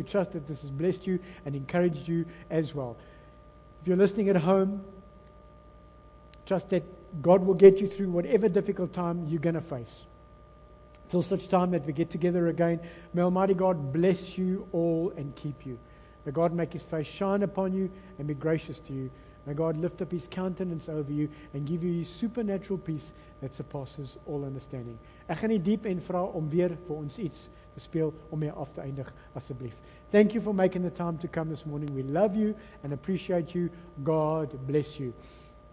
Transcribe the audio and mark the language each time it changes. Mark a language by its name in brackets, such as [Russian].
[English] We trust that this has blessed you and encouraged you as well. If you're listening at home, trust that God will get you through whatever difficult time you're going to face. Till such time that we get together again, may Almighty God bless you all and keep you. May God make His face shine upon you and be gracious to you. May God lift up His countenance over you and give you His supernatural peace that surpasses all understanding. [Afrikaans] Ek gaan nie diep en vra om weer vir ons iets te speel om mee af te eindig, asseblief. [English] Thank you for making the time to come this morning. We love you and appreciate you. God bless you.